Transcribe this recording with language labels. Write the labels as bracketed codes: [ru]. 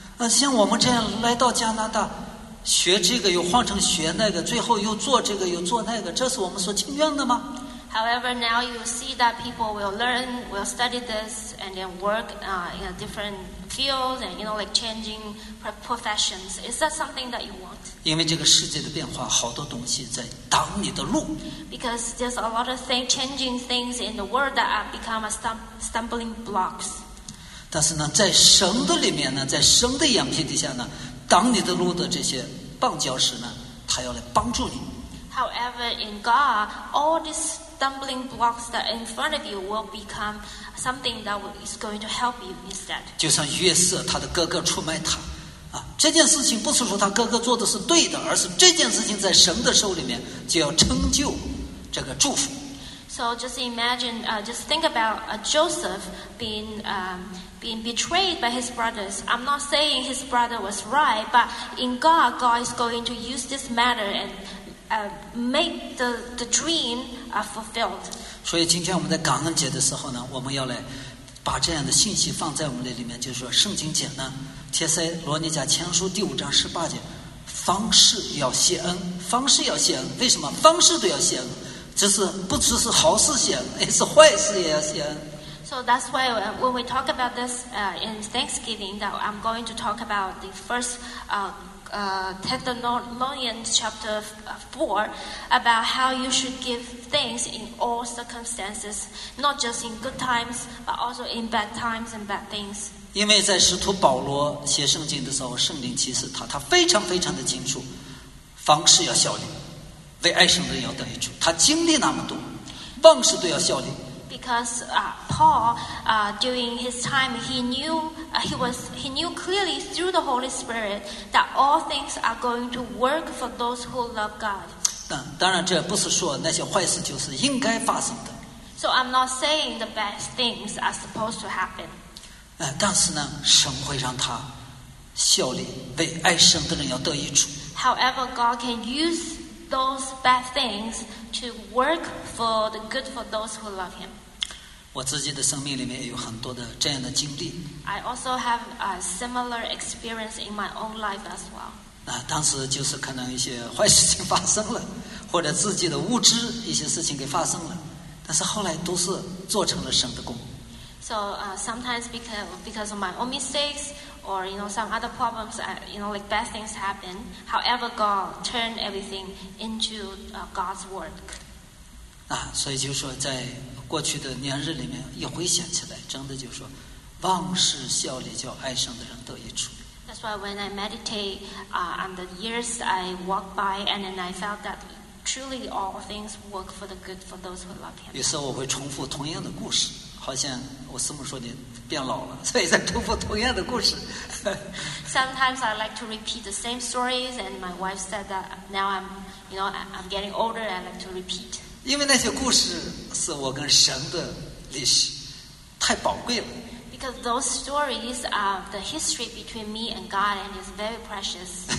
[zh] 像我们这样来到加拿大，学这个又换成学那个，最后又做这个又做那个，这是我们所情愿的吗？ [en] However, now you see that people will study this and then work in a different field and, you know, like changing professions. Is that something that you want? [zh] 因为这个世界的变化，好多东西在挡你的路。 [en] Because there's a lot of things, changing things in the world that have become a stumbling blocks. [zh] 但是呢，在神的里面呢，在神的眼皮底下呢，挡你的路的这些绊脚石呢，他要来帮助你。 [en] However, in God, all these stumbling blocks that are in front of you will become something that is going to help you instead. [zh] 就像约瑟，他的哥哥出卖他，啊，这件事情不是说他哥哥做的是对的，而是这件事情在神的手里面就要成就这个祝福。 [en] So just imagine, just think about Joseph being betrayed by his brothers. I'm not saying his brother was right, but in God, God is going to use this matter and make the dream fulfilled. [zh] 所以今天我们在感恩节的时候呢，我们要来把这样的信息放在我们的里面，就是说圣经简单，帖塞罗尼迦前书第五章十八节，方事要谢恩，方事要谢恩，为什么方事都要谢恩？这是不只是好事谢恩，也是坏事也要谢恩。 [en] So that's why when we talk about this in Thanksgiving, that I'm going to talk about the first Thessalonians chapter 4 about how you should give thanks in all circumstances, not just in good times, but also in bad times and bad things. [zh] 因为在使徒保罗写圣经的时候，圣灵启示他非常非常的清楚，方事要效力，为爱神的人要得益处。他经历那么多，万事都要效力。 [en] Because Paul, during his time, he knew clearly through the Holy Spirit that all things are going to work for those who love God. [zh] 当然，这不是说那些坏事就是应该发生的。 [en] So I'm not saying the bad things are supposed to happen. [zh] 但是呢，神会让他效力，为爱神的人要得益处。 [en] However, God can use those bad things to work for the good for those who love Him. [zh] 我自己的生命里面也有很多的这样的经历。 [en] I also have a similar experience in my own life as well. [zh] 当时就是可能一些坏事情发生了，或者自己的无知一些事情给发生了，但是后来都是做成了神的工。 [en] So sometimes because of my own mistakes or you know some other problems, you know like bad things happen. However, God turned everything into God's work. [zh] 所以就是说在过去的年日里面一回想起来，真的就是说忘事效力叫爱神的人得益处。 [en] That's why when I meditate on the years I walk by and then I felt that truly all things work for the good for those who love him. [zh] 有时候我会重复同样的故事，好像我师母说你变老了，所以在重复同样的故事。 [en] Sometimes I like to repeat the same stories and my wife said that now I'm getting older and I like to repeat. [zh] 因为那些故事是我跟神的历史，太宝贵了。 [en] Because those stories are the history between me and God and it's very precious.